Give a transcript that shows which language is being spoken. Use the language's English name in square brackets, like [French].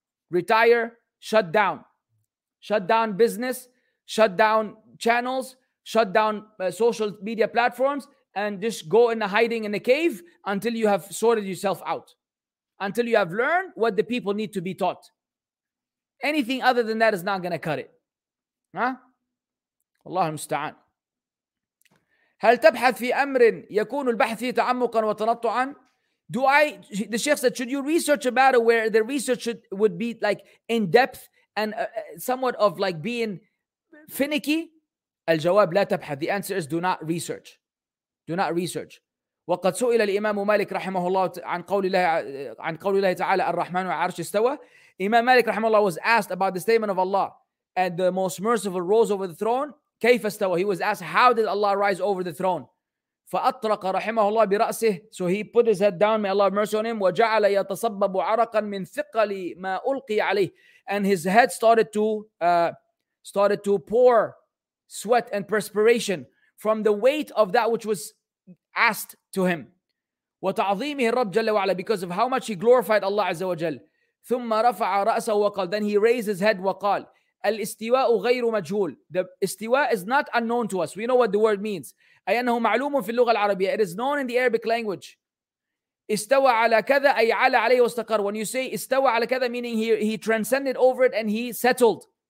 [English] Retire, shut down. Shut down business, shut down channels, shut down social media platforms, and just go in the hiding in a cave until you have sorted yourself out. Until you have learned what the people need to be taught. Anything other than that is not going to cut it. Huh? Allahu musta'an. [Arabic] هل تبحث في أمر يكون البحث فيه تعمقا وتنطعا? [English] The sheikh said, should you research a matter where the research would be like in depth and somewhat of like being finicky? [Arabic] الجواب لا تبحث. [English] The answer is do not research. Do not research. [Arabic] وقد سئل الإمام مالك رحمه الله عن قول الله تعالى الرحمن على عرش استوى. [English] Imam Malik رحمه الله was asked about the statement of Allah and the most merciful rose over the throne. [Arabic] كيف استوى? [English] He was asked, how did Allah rise over the throne? [Arabic] فأطرق رحمه الله برأسه. [English] So he put his head down, may Allah have mercy on him. [Arabic] وجعل يتصبب عرقا من ثقل ما ألقي عليه. [English] And his head started to pour sweat and perspiration from the weight of that which was asked to him. [Arabic] وتعظيمه الرب جل وعلا, [English] because of how much he glorified Allah عز وجل. [Arabic] ثم رفع رأسه وقال. [English] Then he raised his head [Arabic] وقال. الاستواء غير مجهول. [English] The استواء is not unknown to us. We know what the word means. [Arabic] أي أنه معلوم في اللغة العربية. [English] It is known in the Arabic language. [Arabic] استوى على كذا أي على عليه واستقر. [English] When you say [Arabic] استوى على كذا, [English] meaning he transcended over it and he settled.